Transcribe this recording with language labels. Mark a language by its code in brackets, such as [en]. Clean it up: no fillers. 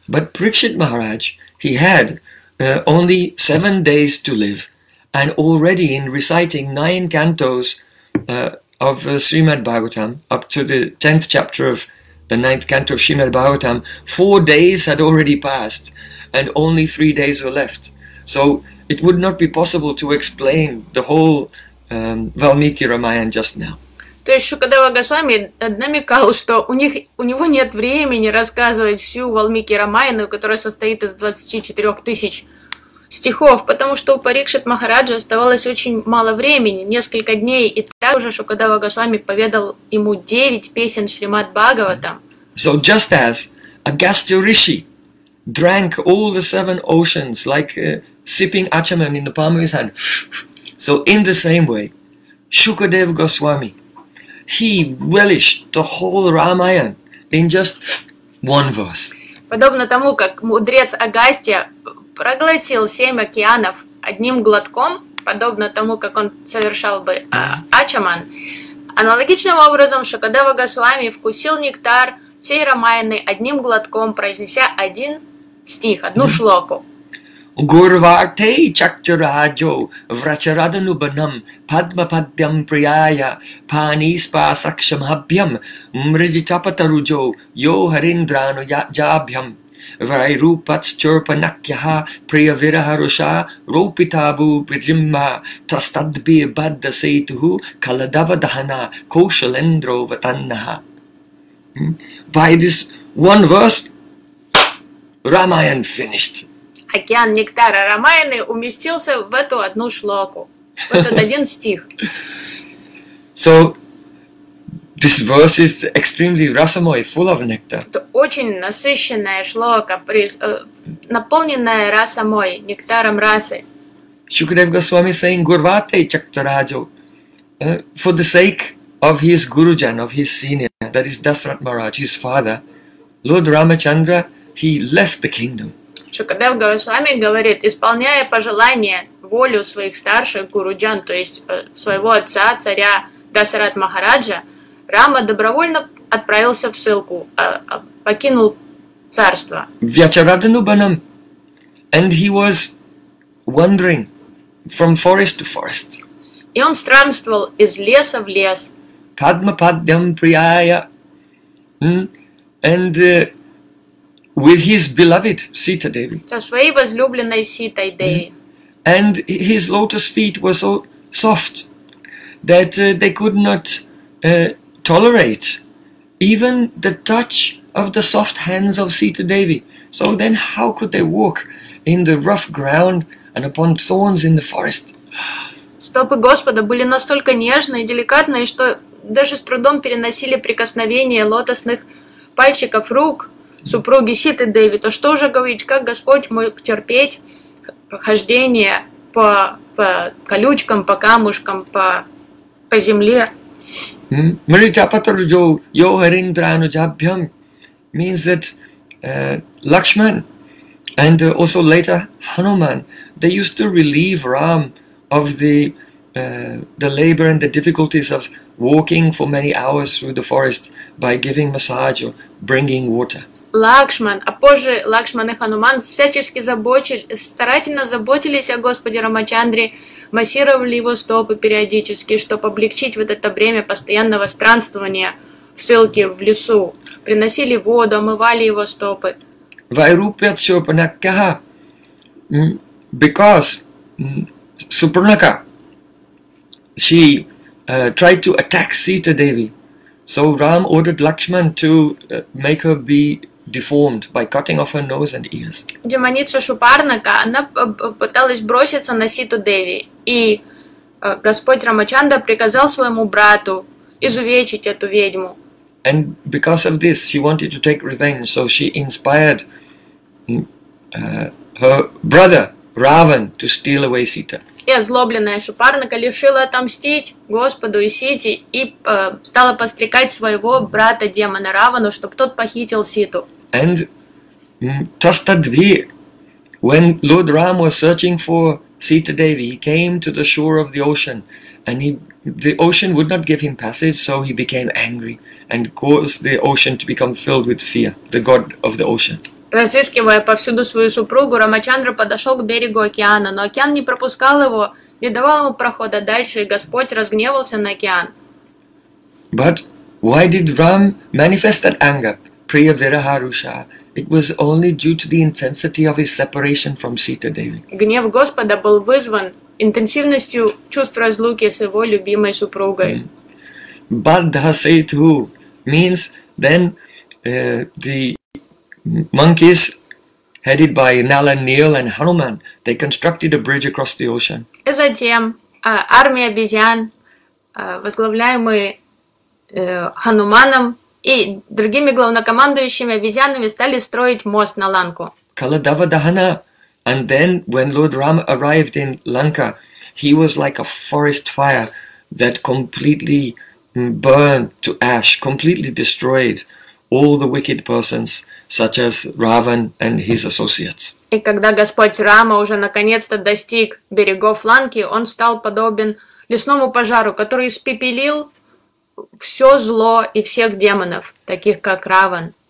[en] But Parikshit Maharaj, he had only 7 days to live, and already in reciting 9 cantos of Srimad Bhagavatam, up to the 10th chapter of the 9th canto of Srimad Bhagavatam, 4 days had already passed, and only 3 days were left. So it would not be possible to explain the whole Valmiki Ramayana just now. [ru] То есть Шукадева Госвами намекал, что у него нет времени рассказывать всю Валмики Рамаяну, которая состоит из 24,000 стихов, потому что у Парикшит Махараджа оставалось очень мало времени, несколько дней и так. также Шукадева Госвами поведал ему 9 песен Шримад Бхагаватам. [en] So just as Agastya Rishi drank all the 7 oceans like sipping achaman in the palm of his hand, so in the same way, Shukadev Goswami, he relished the whole Ramayana in just one verse. [ru] Подобно тому, как мудрец Агастья проглотил 7 океанов одним глотком, подобно тому, как он совершал бы ачаман, аналогичным образом Шукадева Госвами вкусил нектар всей Рамаяны одним глотком, произнеся один стих, одну шлоку. [sa] Гурварте чакчураджо врачараданубанам падмападбьям прияя паниспа сакшамабьям мриджитапатаруджо йо хариндрану яджабьям вайрупатчурпанакьяха прияверахаруша рупитабу пиджимма тастадби баддасейтуху каладавадахана кошалендро ватаннаха. [en] By this one verse, Ramayan finished. [ru] Океан нектара Рамаяны уместился в эту одну шлоку, в этот один стих. [en] So, this verse is extremely rasamoy, full of nectar. [ru] Это очень насыщенная шлока, наполненная расамой, нектаром расы. [en] Shukadev Goswami saying, [sa] Gurvate Chaktarajo, [en] for the sake of his Gurujan, of his senior, that is Dasarath Maharaj, his father, Lord Ramachandra, he left the kingdom. [ru] Шукадев Госвами говорит, исполняя пожелание, волю своих старших Гуруджан, то есть своего отца, царя Дасарат Махараджа, Рама добровольно отправился в ссылку, покинул царство. [sa] Вьячараданубанам, [en] and he was wandering from forest to forest. [ru] И он странствовал из леса в лес. [sa] Падмападбьям прияя, [en] and with his beloved Sita Devi. [ru] Со своей возлюбленной Ситой Деви. [en] And his lotus feet were so soft that they could not tolerate even the touch of the soft hands of Sita Devi. So then how could they walk in the rough ground and upon thorns in the forest? [ru] Стопы Господа были настолько нежные и деликатные, что даже с трудом переносили прикосновение лотосных пальчиков рук супруги Ситы Деви, то что же говорить, как Господь мог терпеть прохождение по колючкам, по камушкам, по земле? [sa] Мриджапатарджо йохариндрану джабхьям [en] means that Lakshman and also later Hanuman, they used to relieve Ram of the labor and the difficulties of walking for many hours through the forest by giving massage or bringing water. [ru] Лакшман, а позже Лакшман и Хануман всячески старательно заботились о Господе Рамачандре, массировали его стопы периодически, чтобы облегчить вот это бремя постоянного странствования в ссылке в лесу. Приносили воду, омывали его стопы. [sa] Вайрупят Шупанакьяха, [en] because Шупанака, she tried to attack Sita Devi, so Ram ordered Lakshman to make her be deformed by cutting off her nose and ears. [ru] Демоница Шупарнака, она пыталась броситься на Ситу Деви, и Господь Рамачандра приказал своему брату изувечить эту ведьму. [en] And because of this, she wanted to take revenge, so she inspired her brother Ravan to steal away Sita. [ru] И озлобленная Шупарнака решила отомстить Господу и Сите и стала подстрекать своего брата демона Равану, чтобы тот похитил Ситу. [en] And Tastadvi, when Lord Ram was searching for Sita Devi, he came to the shore of the ocean, and the ocean would not give him passage, so he became angry and caused the ocean to become filled with fear, the god of the ocean. [ru] Разыскивая повсюду свою супругу, Рамачандра подошел к берегу океана, но океан не пропускал его, не давал ему прохода дальше, и Господь разгневался на океан. [en] But why did Ram manifest that anger? [sa] Priya Viraharusha, [en] it was only due to the intensity of his separation from Sita Devi. [ru] Гнев Господа был вызван интенсивностью чувств разлуки с его любимой супругой. [sa] Baddha Setu [en] means then the monkeys headed by Nala, Neel and Hanuman, they constructed a bridge across the ocean. [ru] И затем армия обезьян возглавляемые Хануманом и другими главнокомандующими обезьянами, стали строить мост на Ланку. [sa] Kaladava Dahana. [en] And then when Lord Rama arrived in Lanka, he was like a forest fire that completely burned to ash, completely destroyed all the wicked persons, such as Ravan and his associates. [ru] И когда Господь Рама уже наконец-то достиг берегов Ланки, он стал подобен лесному пожару, который испепелил все зло и всех демонов, таких как Раван.